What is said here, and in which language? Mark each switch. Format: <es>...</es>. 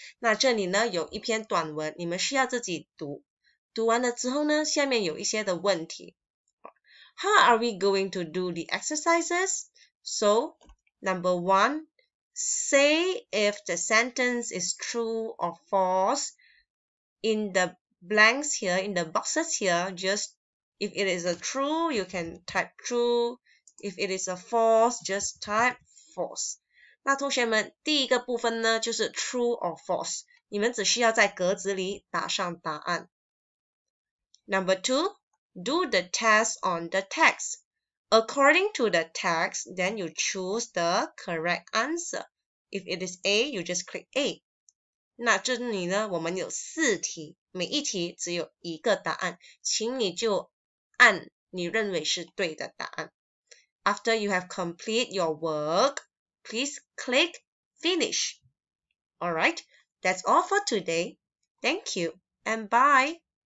<zh>那这里呢有一篇短文，你们需要自己读。读完了之后呢，下面有一些的问题。</zh> <en>How are we going to do the exercises? So, number one, say if the sentence is true or false. In the blanks here, in the boxes here, just if it is a true, you can type true. If it is a false, just type false.</en> <zh>那同学们，第一个部分呢，就是</zh> <en>true or false.</en> <zh>你们只需要在格子里打上答案。</zh> <en>Number two,Do the test on the text. According to the text, then you choose the correct answer. If it is A, you just click A.</en> <zh>那这里呢，我们有四题，每一题只有一个答案，请你就按你认为是对的答案。</zh> <en>After you have complete your work, please click finish. Alright, that's all for today. Thank you and bye.</en>